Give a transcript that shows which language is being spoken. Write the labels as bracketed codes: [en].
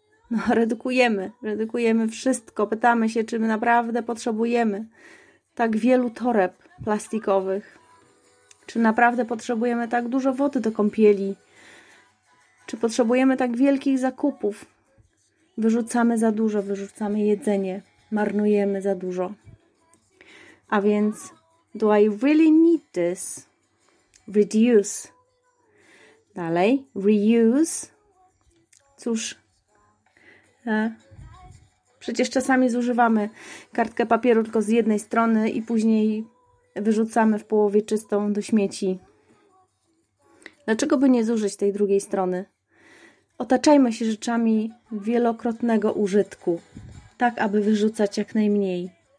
[pl] No, redukujemy wszystko. Pytamy się, czy my naprawdę potrzebujemy tak wielu toreb plastikowych. Czy naprawdę potrzebujemy tak dużo wody do kąpieli. Czy potrzebujemy tak wielkich zakupów? Wyrzucamy za dużo, wyrzucamy jedzenie, marnujemy za dużo. A więc, [en] do I really need this? Reduce. [pl] Dalej, [en] reuse. [pl] Cóż, przecież czasami zużywamy kartkę papieru tylko z jednej strony i później wyrzucamy w połowie czystą do śmieci. Dlaczego by nie zużyć tej drugiej strony? Otaczajmy się rzeczami wielokrotnego użytku, tak aby wyrzucać jak najmniej.